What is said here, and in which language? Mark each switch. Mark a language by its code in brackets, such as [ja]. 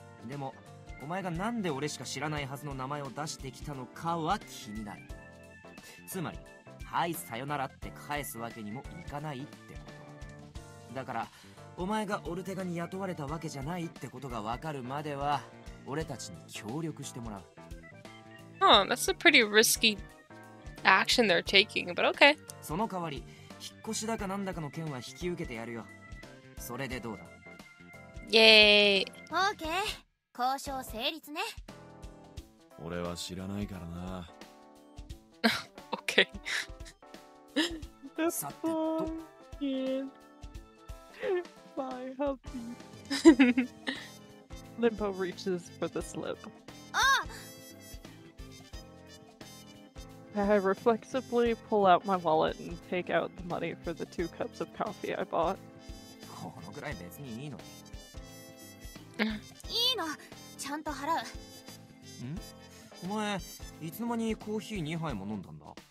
[ja] でも、お前がなんで俺しか知らないはずの名前を出してきたのかは気になる。つまり。はい、さよならって返すわけにもいかないってこと。だから、お前がオルテガに雇われたわけじゃないってことがわかるまでは、俺たちに協力してもらう。 [en] Oh, that's a pretty risky action they're taking, but okay. [ja] その代わり、引っ越しだかなんだかの件は引き受けてやるよ。それでどうだ？ [en] Yay! [ja] Okay! 交渉成立ね。俺は知らないからな。 [en] This song is by Hubby. Limbo reaches for the slip. I reflexively pull out my wallet and take out the money for the two cups of coffee I bought. [ja] このぐらい別にいいの。いいの、ちゃんと払う。ん？お前、いつの間にコーヒー2杯も飲んだんだ？